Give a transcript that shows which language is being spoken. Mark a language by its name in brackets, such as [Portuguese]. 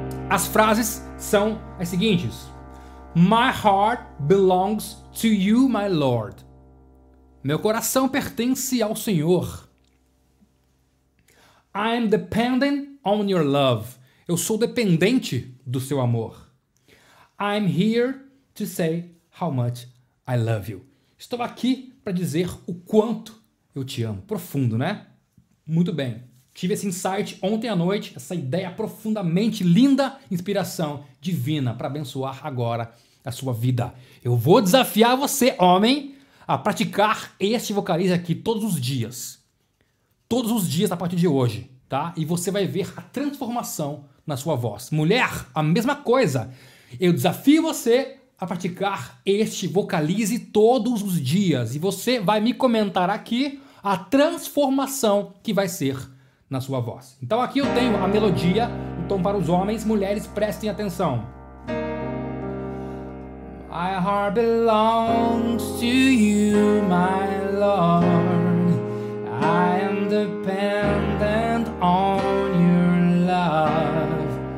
[Portuguese] as frases são as seguintes, [English] my heart belongs to you, my Lord, [Portuguese] meu coração pertence ao Senhor, [English] I'm dependent on your love. [Portuguese] Eu sou dependente do seu amor. [English] I'm here to say how much I love you. [Portuguese] Estou aqui para dizer o quanto eu te amo. Profundo, né? Muito bem. Tive esse insight ontem à noite, essa ideia profundamente linda, inspiração divina para abençoar agora a sua vida. Eu vou desafiar você, homem, a praticar este vocalize aqui todos os dias. Todos os dias a partir de hoje, tá? E você vai ver a transformação na sua voz. Mulher, a mesma coisa. Eu desafio você a praticar este vocalize todos os dias. E você vai me comentar aqui a transformação que vai ser na sua voz. Então aqui eu tenho a melodia, o tom para os homens. Mulheres, prestem atenção. [English] My heart belongs to you, my Lord. I am dependent on your love.